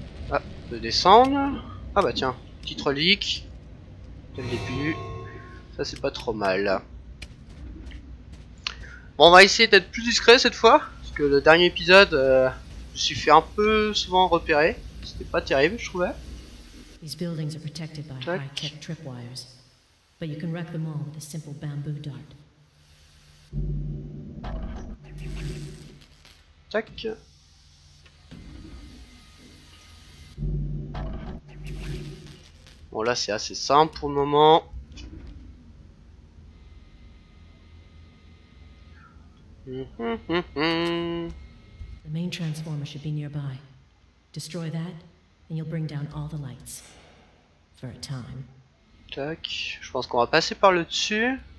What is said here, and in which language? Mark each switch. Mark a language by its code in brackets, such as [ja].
[fr] Ah, on peut descendre. Ah bah tiens, petite relique, dès le début, ça c'est pas trop mal. Bon, on va essayer d'être plus discret cette fois, parce que le dernier épisode, je me suis fait un peu souvent repérer, c'était pas terrible je trouvais. [en] These buildings are protected by high-tech tripwires, but you can wreck them all with a simple bamboo dart. [fr] Tac. Bon là c'est assez simple pour le moment. [en] The main transformer should be nearby. Destroy that, and you'll bring down all the lights. For a time. [fr] Tac, je pense qu'on va passer par le dessus.